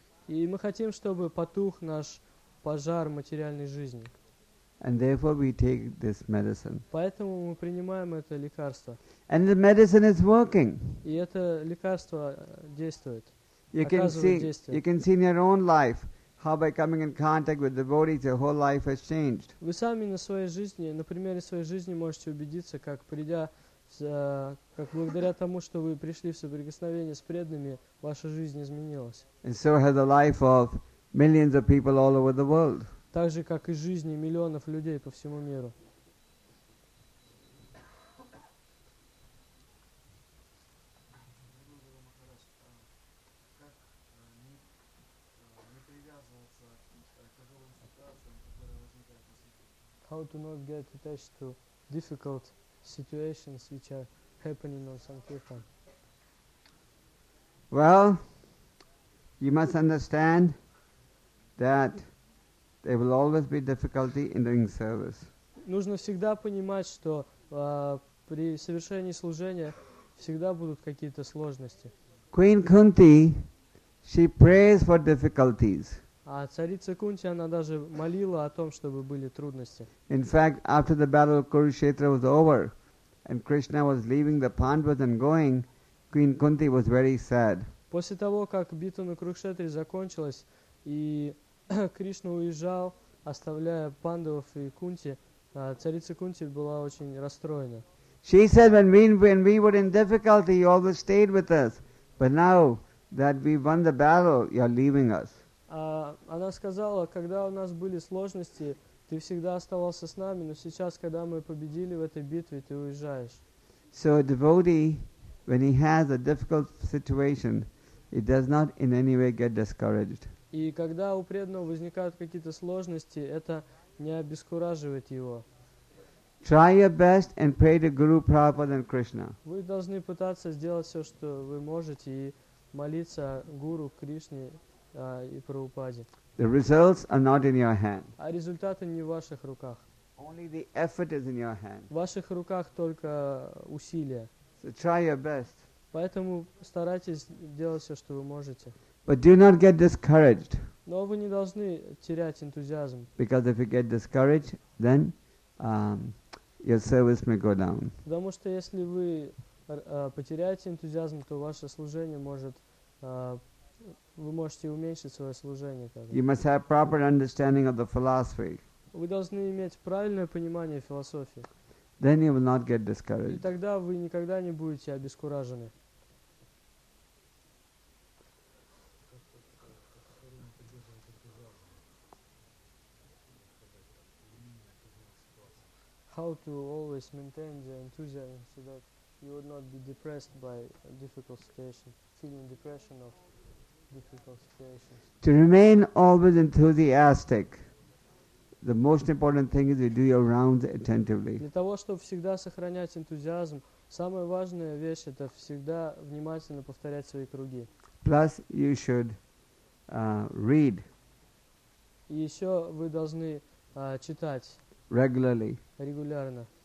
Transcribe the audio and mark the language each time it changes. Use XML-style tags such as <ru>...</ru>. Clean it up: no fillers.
<ru>И мы хотим, чтобы потух наш пожар материальной жизни.</ru> <en>And therefore we take this medicine.</en> <ru>Поэтому мы принимаем это лекарство.</ru> <en>And the medicine is working.</en> <ru>И это лекарство действует.</ru> <en>You can see in your own life how by coming in contact with devotees your whole life has changed.</en> <ru>Вы сами на своей жизни, на примере своей жизни можете убедиться, как придя, как благодаря тому, что вы пришли в соприкосновение с преданными, ваша жизнь изменилась.</ru> <en>And so has the life of millions of people all over the world.</en> <ru>Так же, как и жизни миллионов людей по всему миру.</ru> <en>How to not get attached to difficult situations which are happening on Sankirtan? Well, you must understand that there will always be difficulty in doing service.</en> <ru>Нужно всегда понимать, что при совершении служения всегда будут какие-то сложности.</ru> <en>Queen Kunti, she prays for difficulties.</en> <ru>А царица Кунти она даже молила о том, чтобы были трудности.</ru> <en>In fact, after the battle of Kurukshetra was over and Krishna was leaving the Pandavas and going, Queen Kunti was very sad.</en> <ru>После того, как битва на Курукшетре закончилась и Кришна уезжал, оставляя Пандавов и Кунти, царица Кунти была очень расстроена.</ru> <en>She said, when we were in difficulty, you always stayed with us. But now that we won the battle, you're leaving us.</en> <ru>Она сказала, когда у нас были сложности, ты всегда оставался с нами, но сейчас, когда мы победили в этой битве, ты уезжаешь.</ru> <en>So a devotee, when he has a difficult situation, he does not in any way get discouraged.</en> <ru>И когда у преданного возникают какие-то сложности, это не обескураживает его.</ru> <en>Try your best and pray to Guru Prabhupada and Krishna.</en> <ru>Вы должны пытаться сделать все, что вы можете, и молиться Гуру, Кришне и Прабхупаде.</ru> <en>The results are not in your hand.</en> <ru>А результаты не в ваших руках.</ru> <en>Only the effort is in your hand.</en> <ru>В ваших руках только усилия.</ru> <en>So try your best.</en> <ru>Поэтому старайтесь делать все, что вы можете.</ru> <en>But do not get discouraged.</en> <ru>Но вы не должны терять энтузиазм.</ru> <en>Because if you get discouraged, then your service may go down.</en> <ru>Потому что если вы потеряете энтузиазм, то ваше служение может вы можете уменьшить свое служение.</ru> <en>You must have proper understanding of the philosophy.</en> <ru>Вы должны иметь правильное понимание философии.</ru> <en>Then you will not get discouraged.</en> <ru>И тогда вы никогда не будете обескуражены.</ru> <en>How to always maintain the enthusiasm so that you would not be depressed by a difficult situation, feeling depression of difficult situations. To remain always enthusiastic, the most important thing is to do your rounds attentively.</en> <ru>Для того, чтобы всегда сохранять энтузиазм, самая важная вещь – это всегда внимательно повторять свои круги.</ru> <en>Plus, you should read.</en> <ru>И еще вы должны читать.</ru> <en>Regularly.</en> <ru>Регулярно.</ru>